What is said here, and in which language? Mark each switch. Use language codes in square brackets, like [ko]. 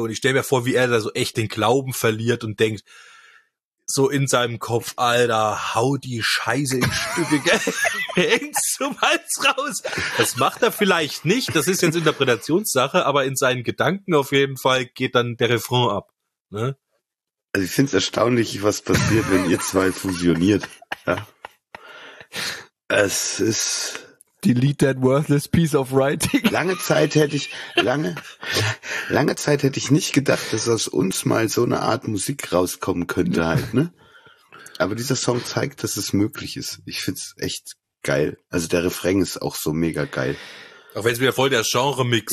[de] Und ich stelle mir vor, wie er da so echt den Glauben verliert und denkt, so in seinem Kopf, Alter, hau die Scheiße in Stücke, gell, hängst zum Hals raus. Das macht er vielleicht nicht, das ist jetzt Interpretationssache, aber in seinen Gedanken auf jeden Fall geht dann der Refrain ab, ne? Also ich finde es erstaunlich, was passiert, wenn ihr zwei fusioniert. Ja. Es ist... [en] Delete that worthless piece of writing. [de] Lange Zeit hätte ich nicht gedacht, dass aus uns mal so eine Art Musik rauskommen könnte halt, ne? Aber dieser Song zeigt, dass es möglich ist. Ich finde es echt geil. Also der Refrain ist auch so mega geil. Auch wenn es wieder voll der Genre-Mix,